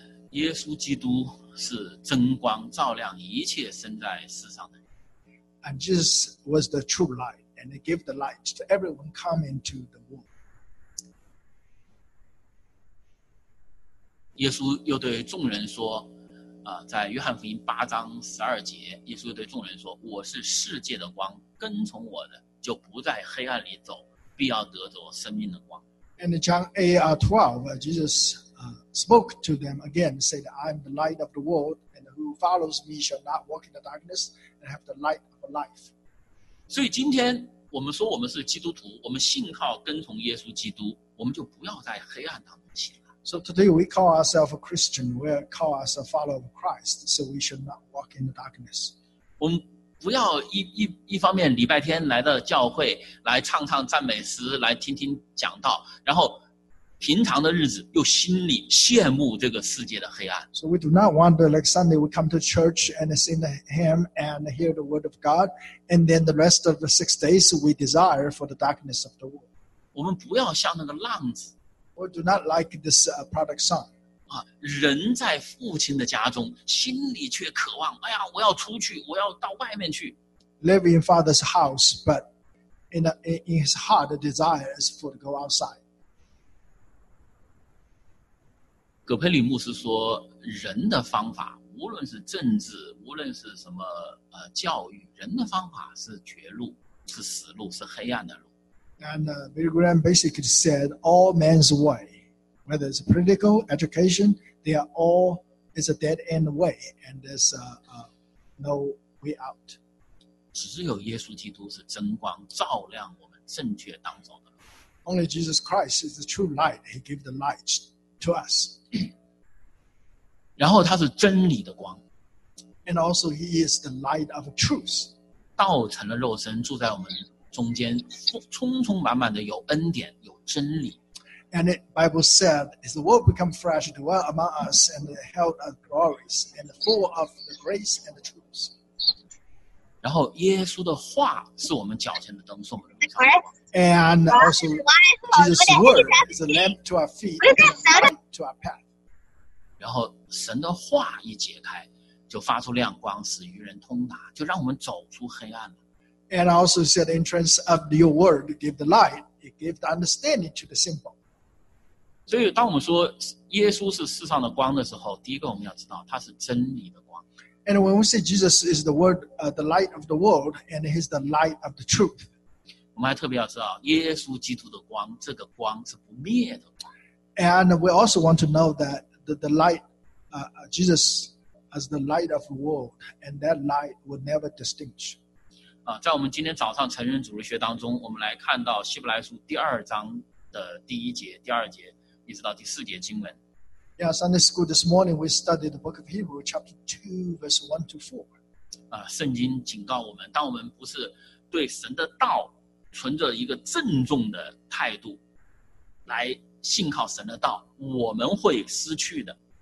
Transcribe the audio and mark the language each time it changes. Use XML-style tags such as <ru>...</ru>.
<zh>耶稣基督是真光照亮一切生在世上的。</zh> <en>And Jesus was the true light, and he gave the light to everyone come into the world.</en> <zh>耶稣又对众人说，在约翰福音八章十二节，耶稣对众人说：“我是世界的光，跟从我的就不在黑暗里走，必要得着生命的光。”</zh> <en>And John 8:12, Jesus spoke to them again, said, "I am the light of the world, and who follows me shall not walk in the darkness, and have the light of life."</en> <zh>所以今天我们说我们是基督徒，我们信靠跟从耶稣基督，我们就不要在黑暗当中行。</zh> <en>So today we call ourselves a Christian. We call ourselves a follower of Christ. So we should not walk in the darkness.</en> <zh>我们不要一方面礼拜天来到教会来唱唱赞美诗，来听听讲道，然后平常的日子又心里羡慕这个世界的黑暗。</zh> <en>So we do not wonder like Sunday we come to church and sing the hymn and hear the word of God, and then the rest of the 6 days we desire for the darkness of the world.</en> <zh>我们不要像那个浪子。</zh> <en>We do not like this product song.</en> <zh>人在父亲的家中，心里却渴望，哎呀，我要出去，我要到外面去。</zh> <en>Live in father's house, but in his heart, the desire is for to go outside.</en> <zh>葛佩里牧师说，人的方法，无论是政治，无论是什么教育，人的方法是绝路，是死路，是黑暗的路。</zh> <en>And Billy Graham basically said, all man's way, whether it's political, education, they are all, it's a dead end way, and there's no way out.</en> <zh>只有耶稣基督是真光，照亮我们正确当中的。</zh> <en>Only Jesus Christ is the true light. He gave the light to us.</en> <zh>然后他是真理的光。</zh> <en>And also he is the light of truth.</en> <zh>道成了肉身，住在我们中间，充充满满的有恩典，有真理。</zh> <en>And the Bible said, "Is the world become fresh to dwell among us, and the held of glories, and full of the grace and the truth."</en> <zh>然后，耶稣的话是我们脚前的灯，是我们的路。</zh> <en>And also, Jesus' word is a lamp to our feet, and a light to our path.</en> <zh>然后，神的话一解开，就发出亮光，使愚人通达，就让我们走出黑暗了。</zh> <en>And also said, the entrance of your word gave the light, it gave the understanding to the simple.</en> <zh>所以当我们说耶稣是世上的光的时候，第一个我们要知道他是真理的光。</zh> <en>And when we say Jesus is the word, the light of the world, and he's the light of the truth.</en> <zh>我们还特别要知道耶稣基督的光，这个光是不灭的光。</zh> <en>And we also want to know that the light, Jesus as the light of the world, and that light will never extinguish.</en> <zh>在我们今天早上成人主日学当中，我们来看到希伯来书第二章的第一节、第二节，一直到第四节经文。</zh> <en>Yeah, Sunday school this morning we studied the book of Hebrews chapter 2:1-4.</en> <zh>圣经警告我们，当我们不是对神的道存着一个郑重的态度来信靠神的道，我们会失去的。</zh>